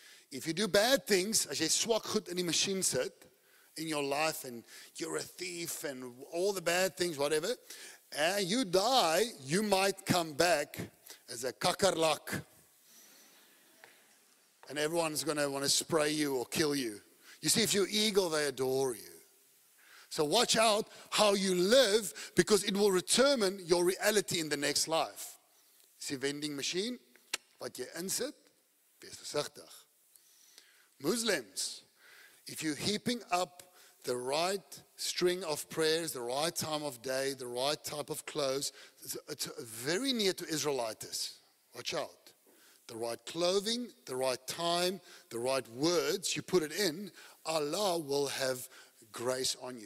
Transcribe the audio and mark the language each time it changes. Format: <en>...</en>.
<en>If you do bad things,</en> <af>as jy swak goed in die machine sit,</af> <en>in your life, and you're a thief, and all the bad things, whatever, and you die, you might come back as a kakarlak. And everyone's going to want to spray you or kill you. You see, if you're eagle, they adore you. So watch out how you live, because it will determine your reality in the next life. See, vending machine,</en> <af>wat jy insit, wees versigtig.</af> <en>Muslims, if you're heaping up the right string of prayers, the right time of day, the right type of clothes, it's very near to Israelitis. Watch out. The right clothing, the right time, the right words, you put it in, Allah will have grace on you.</en>